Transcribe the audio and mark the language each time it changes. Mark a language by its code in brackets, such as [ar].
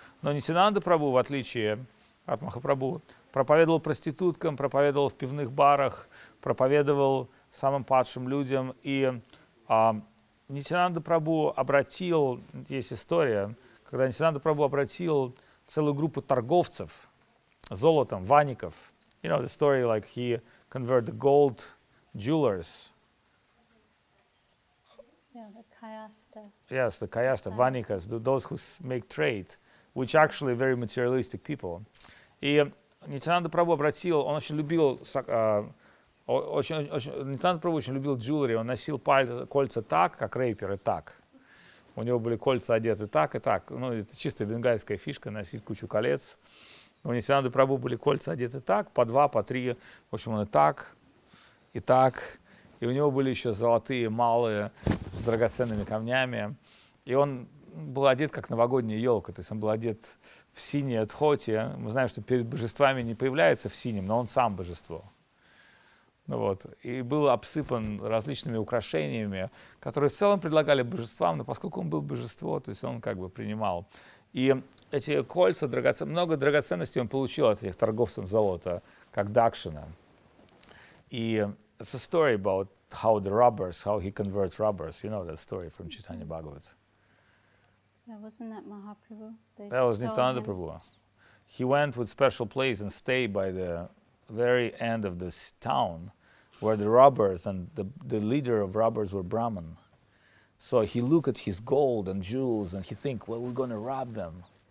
[ru] Но Нитянанда Прабху, в отличие от Махапрабху, проповедовал проституткам, проповедовал в пивных барах, проповедовал самым падшим людям. И Нитянанда Прабху обратил, есть история, когда Нитянанда Прабху обратил целую группу торговцев золотом, ваников. [en] You know the story, like he converted the gold jewelers. Yeah, the Kayasta. Yes, the Kayasta, Vanikas, those who make trade, which actually very materialistic people. [ru] И Нитянанда Прабху обратил, он очень любил, Нитянанда Прабху очень любил jewelry, он носил кольца так, как рэперы, так. У него были кольца одеты так и так. Ну, это чисто бенгальская фишка, носить кучу колец. У Нитянанды Прабху были кольца одеты так, по два, по три. В общем, он и так, и так. И у него были еще золотые малые с драгоценными камнями. И он был одет, как новогодняя елка. То есть он был одет в синее дхоти. Мы знаем, что перед божествами не появляется в синем, но он сам божество. Ну вот. И был обсыпан различными украшениями, которые в целом предлагали божествам. Но поскольку он был божество, то есть он как бы принимал. И эти кольца, много драгоценностей он получил от этих торговцев золота, как дакшина. [en] И it's a story about how the robbers, how he converts robbers. You know that story from Chaitanya Bhagavat. Yeah, wasn't that Mahaprabhu? That was Nityananda Prabhu. He went with special place and stayed by the very end of this town where the robbers and the leader of robbers were Brahman. So he looked at his gold and jewels and he think, well, we're going to rob them.